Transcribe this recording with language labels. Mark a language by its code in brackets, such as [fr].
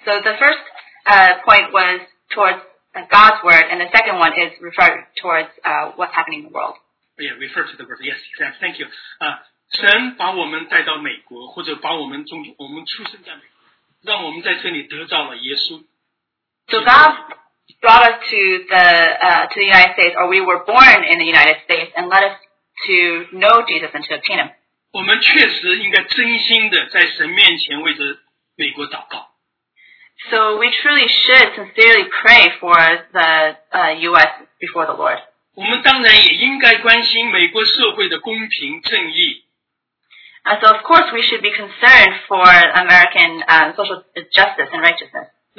[en] So the first point was towards God's word, and the second one is referred towards what's happening in the world. Yeah, refer to the word. Yes, exactly. Thank you. [zh] 神把我们带到美国，或者把我们中，我们出生在美国，让我们在这里得到了耶稣。 [en] So God brought us to the United States, or we were born in the United States, and led us to know Jesus and to obtain Him. [zh] 我们确实应该真心的在神面前为着美国祷告。 [en] So we truly should sincerely pray for the U.S. before the Lord. [zh] 我们当然也应该关心美国社会的公平正义。 [en] So of course we should be concerned for American social justice and righteousness.